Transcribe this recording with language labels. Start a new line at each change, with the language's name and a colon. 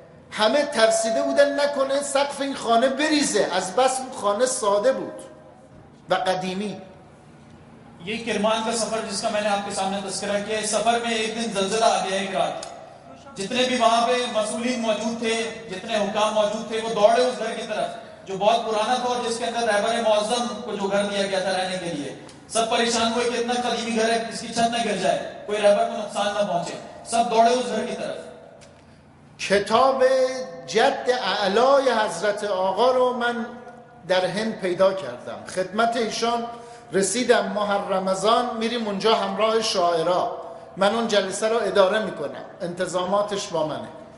Persian: همه ترسیده بودن نکنه سقف این خانه بریزه، از بس اون خانه ساده بود و قدیمی.
Urdu: یہ کرمان کا سفر جس کا میں نے آپ کے سامنے تذکرہ کیا ہے، سفر میں ایک دن زلزلہ آ گیا ایک رات، جتنے بھی وہاں پہ مسئولین موجود تھے، جتنے حکام موجود تھے، وہ دوڑے اس گھر کی طرف جو بہت پرانا تھا اور جس کے اندر رہبر معظم کو جو گھر دیا گیا تھا رہنے کے لیے، سب پریشان ہوئے کہ اتنا قدیمی گھر ہے، اس کی چھت نہ گر جائے، کوئی رہبر کو نقصان نہ پہنچے، سب دوڑے اس گھر کی طرف.
Persian: کتاب جد اعلی حضرت آقا رو من در هند پیدا کردم، خدمت ایشان رسیدم. ماه رمضان میریم اونجا همراه شاعرا، من اون جلسه رو اداره میکنم، انتظاماتش با منه.